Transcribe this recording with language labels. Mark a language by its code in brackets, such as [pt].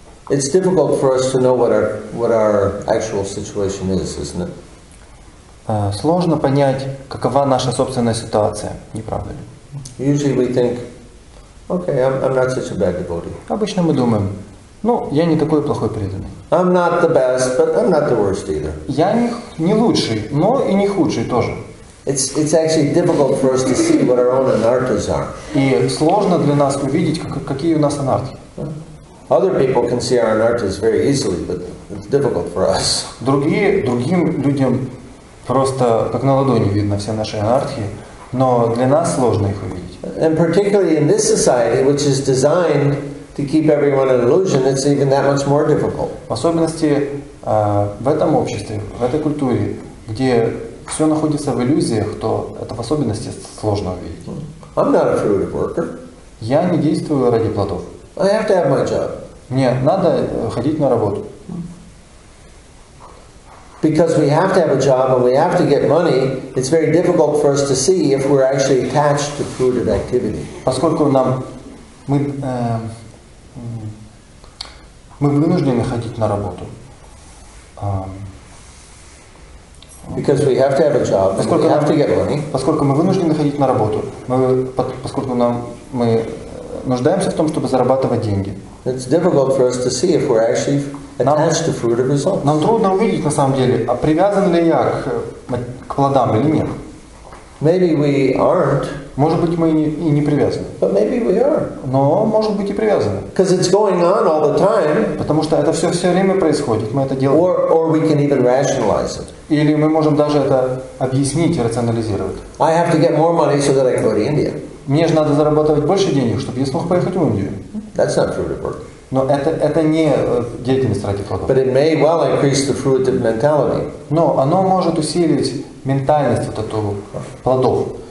[en] It's difficult for us to know what our actual situation is, isn't it? [ru] Сложно понять, какова наша собственная ситуация, не правда ли? [en] Usually we think, okay, I'm not such a bad devotee. [ru] Обычно мы думаем, ну, я не такой плохой преданный. [en] I'm not the best, but I'm not the worst either. [ru] Я не лучший, но и не худший тоже. [en] It's actually difficult for us to see what our own anarthas are. [ru] И сложно для нас увидеть, какие у нас анартхи. [en] Other people can see our anarthas very easily, but it's difficult for us. [ru] Другим людям просто как на ладони видно все наши анархии, но для нас сложно их увидеть. [en] And particularly in this society, which is designed to keep everyone in illusion, it's even that much more difficult. [ru] В особенности в этом обществе, в этой культуре, где все находится в иллюзиях, то это в особенности сложно увидеть. [en] I'm not a fruitive worker. [ru] Я не действую ради плодов. [en] I have to have my job. [ru] Мне надо ходить на работу. [en] Because we have to have a job and we have to get money, it's very difficult for us to see if we're actually attached to fruitive activity. [ru] Поскольку мы вынуждены ходить на работу. [en] Because we have to have a job, and we have to get money. [ru] Поскольку мы вынуждены ходить на работу, мы нуждаемся в том, чтобы зарабатывать деньги. [en] It's difficult for us to see if we're actually attached to fruitive results. [ru] Нам трудно увидеть на самом деле, а привязан ли я к плодам или нет. [en] Maybe we aren't. [ru] Может быть, мы и не привязаны. [en] But maybe we are. [ru] Но может быть и привязаны. [en] Because it's going on all the time. [ru] Потому что это все время происходит. Мы это делаем. [en] Or we can even rationalize it. [ru] Или мы можем даже это объяснить, рационализировать. [en] I have to get more money so that I can go to India. [ru] Мне же надо зарабатывать больше денег, чтобы я смог поехать в Индию. [en] That's not fruitive work. [ru] Но это не деятельность ради плодов. [en] But it may well increase the fruitive mentality. [ru] Но оно может усилить ментальность вот эту плодов.